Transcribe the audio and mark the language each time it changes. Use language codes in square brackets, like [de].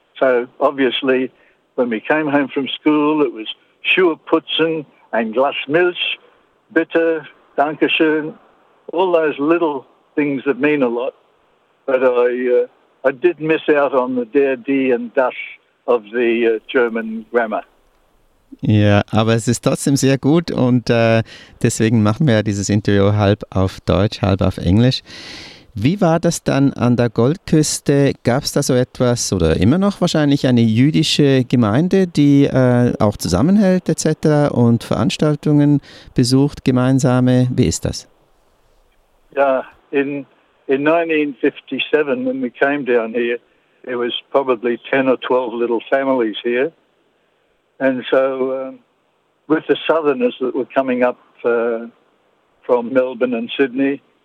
[en] So obviously, when we came home from school, it was Schuhputzen and [de] Glas Milch, Bitte, Dankeschön, [en] all those little things that mean a lot. But I did miss out on the der, die and das of the German grammar. [de] Ja, aber es ist trotzdem sehr gut und deswegen machen wir ja dieses Interview halb auf Deutsch, halb auf Englisch. Wie war das dann an der Goldküste? Gab es da so etwas oder immer noch wahrscheinlich eine jüdische Gemeinde, die auch zusammenhält etc. und Veranstaltungen besucht, gemeinsame? Wie ist das? [en] Ja, in 1957, when we came down here, there was probably 10 or 12 little families here. And so with the Southerners that were coming up from Melbourne and Sydney,